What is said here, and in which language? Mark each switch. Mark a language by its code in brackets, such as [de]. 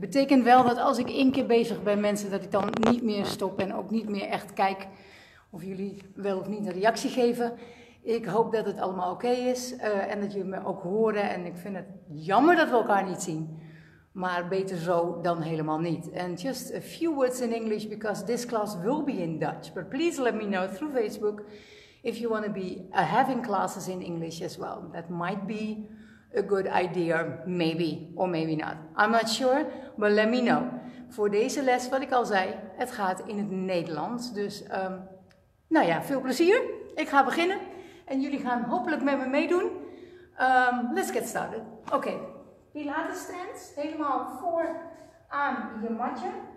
[nl] Betekent wel dat als ik één keer bezig ben met mensen, dat ik dan niet meer stop en ook niet meer echt kijk of jullie wel of niet een reactie geven. Ik hoop dat het allemaal oké is en dat jullie me ook horen. En ik vind het jammer dat we elkaar niet zien, maar beter zo dan helemaal niet. [en] And just a few words in English because this class will be in Dutch. But please let me know through Facebook. If you want to be having classes in English as well, that might be a good idea, maybe or maybe not. I'm not sure, but let me know. [nl] Voor deze les, wat ik al zei, het gaat in het Nederlands. Dus, nou ja, veel plezier. Ik ga beginnen en jullie gaan hopelijk met me meedoen. [en] Let's get started. [nl] Oké, Pilates stands helemaal voor aan je matje.